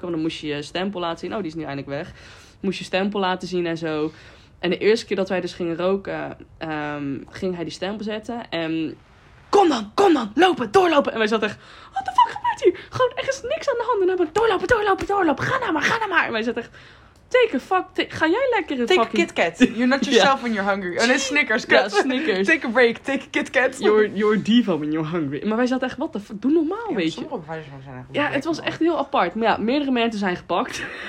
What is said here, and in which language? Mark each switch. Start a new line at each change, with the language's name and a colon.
Dutch: Want dan moest je je stempel laten zien. Oh, die is nu eindelijk weg. Moest je stempel laten zien en zo. En de eerste keer dat wij dus gingen roken, ging hij die stempel zetten. En kom dan, lopen, doorlopen. En wij zaten echt,
English: what the fuck?
Dutch: Gewoon, er is niks aan de hand. En dan doorlopen. Ga nou maar. En wij zeiden echt, ga jij lekker een
English: fucking... Take a KitKat. You're not yourself when you're hungry. And it's Snickers.
Dutch: Ja, Snickers.
English: Take a break. Take a KitKat. You're diva when you're hungry.
Dutch: Maar wij zaten echt,
English: what the fuck?
Dutch: Doe normaal, ja, weet je. Sommige vijfers zijn echt... Ja, het was echt heel apart. Maar ja, meerdere mensen zijn gepakt.